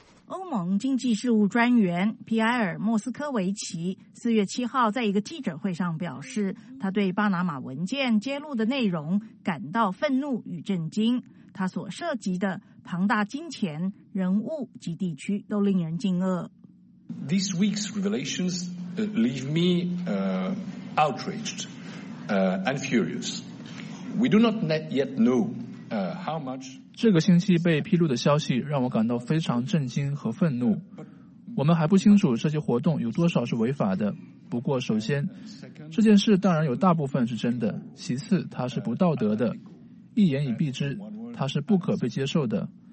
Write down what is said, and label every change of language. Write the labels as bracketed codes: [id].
[zh] 欧盟经济事务专员皮埃尔·莫斯科维奇4月7号在一个记者会上表示，他对巴拿马文件揭露的内容感到愤怒与震惊，他所涉及的庞大金钱、人物及地区都令人惊愕。 [en] This week's revelations leave me outraged and furious. We do not yet know how much... [zh] 这个星期被披露的消息让我感到非常震惊和愤怒。我们还不清楚这些活动有多少是违法的，不过首先这件事当然有大部分是真的，其次它是不道德的，一言以蔽之，它是不可被接受的。